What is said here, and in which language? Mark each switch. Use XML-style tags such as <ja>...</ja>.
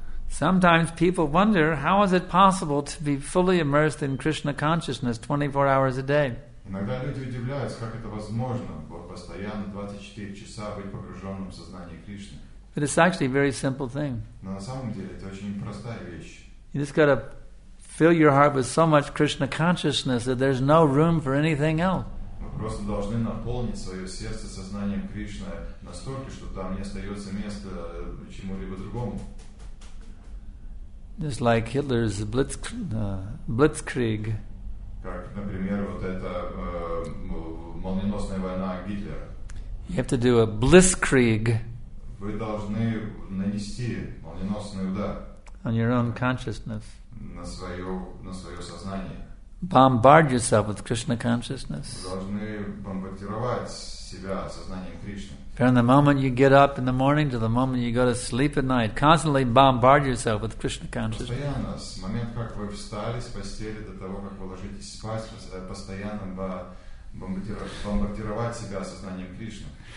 <en>Sometimes people wonder, how is it possible to be fully immersed in Krishna consciousness 24 hours a day?</en> <ru>Иногда люди удивляются, как это возможно, постоянно 24 часа быть погруженным в сознание Кришны.</ru> <en>But it's actually a very simple thing.</en> <ru>Но на самом деле это очень простая вещь.</ru> <en>You just gotta fill your heart with so much Krishna consciousness that there's no room for anything else.</en> <ru>Мы просто должны наполнить свое сердце сознанием Кришны настолько, что там не остается места чему-либо другому.</ru> <en>Just like Hitler's Blitzkrieg.</en> <ru>Как, например, вот эта молниеносная война Гитлера.</ru> <en>You have to do a Blitzkrieg.</en> <ru>Вы должны нанести молниеносный удар.</ru> <en>On your own consciousness.</en> <ru>На свое сознание.</ru> <en>Bombard yourself with Krishna consciousness.</en> <ru>Вы должны бомбардировать себя сознанием Кришны.</ru> <en>From the moment you get up in the morning to the moment you go to sleep at night, constantly bombard yourself with Krishna consciousness.</en> <ru>Постоянно, с момента, как вы встали с постели до того, как вы ложитесь спать, постоянно бомбардировать себя сознанием Кришны.</ru>